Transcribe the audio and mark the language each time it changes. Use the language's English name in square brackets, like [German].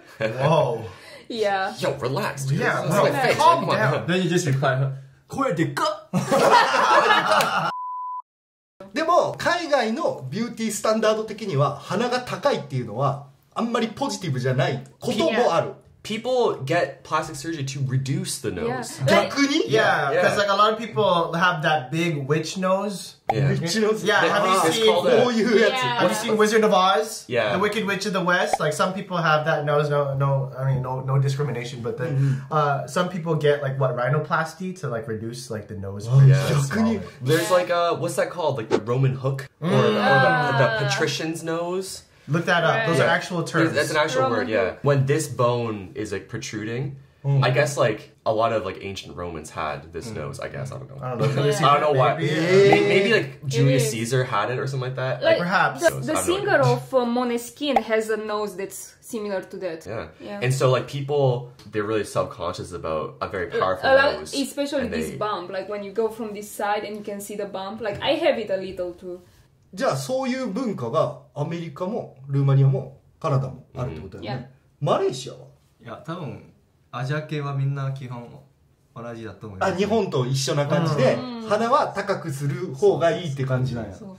[English] Wow. Yeah. Yo, relax. Dude. Yeah, bro. Calm down. Come on. Then you just reply, [Japanese] 声でかでも、海外のビューティースタンダード的には、鼻が高いっていうのは、あんまりポジティブじゃないこともある。 [English] Yeah. People get plastic surgery to reduce the nose. Yeah, because like a lot of people have that big witch nose. Yeah. Witch nose? Yeah, like, have you seen, have you seen Wizard of Oz? Yeah. The Wicked Witch of the West? Like some people have that nose, no discrimination, but then some people get like what, rhinoplasty to like reduce like the nose. Oh, yeah. There's like a, what's that called? Like the Roman hook? Or the patrician's nose? Look that up. Right. Those are actual terms. That's an actual word, yeah. When this bone is like protruding, I guess like a lot of like ancient Romans had this nose, I guess. I don't know why. Maybe like Julius Caesar had it or something like that. Like perhaps. The singer of Måneskin has a nose that's similar to that. Yeah. And so like people, they're really self-conscious about a very powerful nose. Especially this bump. Like when you go from this side and you can see the bump. Like I have it a little too. [Japanese] じゃあそういう文化がアメリカもルーマニアもカナダもあるってことだよね、マレーシアはいや多分アジア系はみんな基本同じだと思います、ね、あ日本と一緒な感じで鼻は高くする方がいいって感じなんや